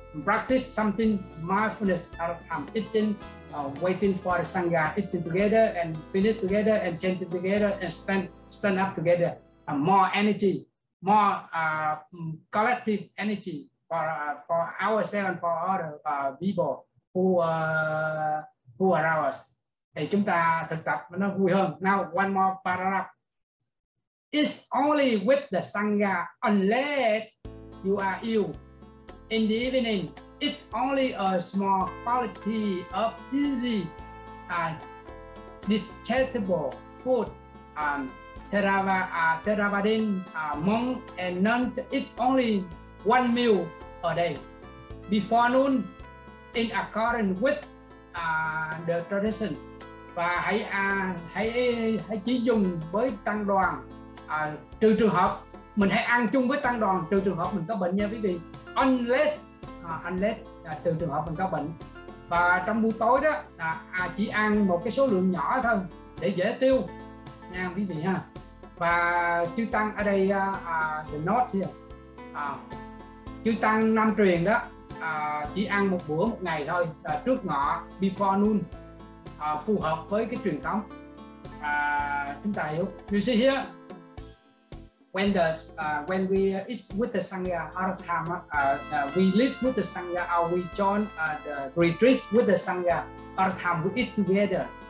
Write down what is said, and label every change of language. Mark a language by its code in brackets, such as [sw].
[en] Practice something mindfulness out of time, eating, waiting for the sangha, eating together and finish together and chanting together and stand up together. More energy, more collective energy for ourselves and for other people who are ours. [vi] Thì chúng ta thực tập nó vui hơn. [en] Now one more paragraph. It's only with the sangha unless you are ill in the evening. It's only a small quality of easy and digestible food. Theravadin monk and nun. It's only one meal a day before noon in accordance with the tradition. [vi] Và hãy chỉ dùng với tăng đoàn trừ trường hợp mình hãy ăn chung với tăng đoàn, trừ trường hợp mình có bệnh nha quý vị. [en] Unless [vi] trừ trường hợp mình có bệnh. Và trong buổi tối đó chỉ ăn một cái số lượng nhỏ thôi để dễ tiêu nha quý vị ha. Và chư tăng ở đây [en] the note here. [vi] Chư tăng Nam truyền đó chỉ ăn một bữa một ngày thôi trước ngọ, [en] before noon. [vi] Phù hợp với cái truyền thống. Chúng ta hiểu. [en] You see here, when we eat with the sangha our time, we live with the sangha, or we join the retreat with the sangha our time, we eat together.